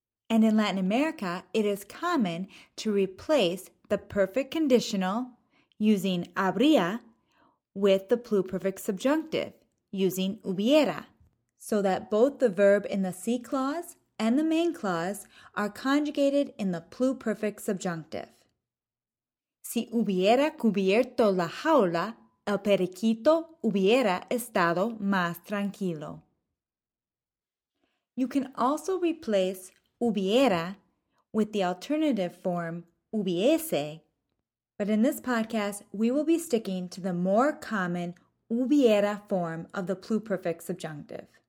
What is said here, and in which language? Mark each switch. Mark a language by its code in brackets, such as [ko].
[en] And in Latin America, it is common to replace the perfect conditional using habría with the pluperfect subjunctive using hubiera, so that both the verb in the si clause and the main clause are conjugated in the pluperfect subjunctive. [es] Si hubiera cubierto la jaula, el periquito hubiera estado más tranquilo. [en] You can also replace hubiera with the alternative form hubiese, but in this podcast, we will be sticking to the more common hubiera form of the pluperfect subjunctive.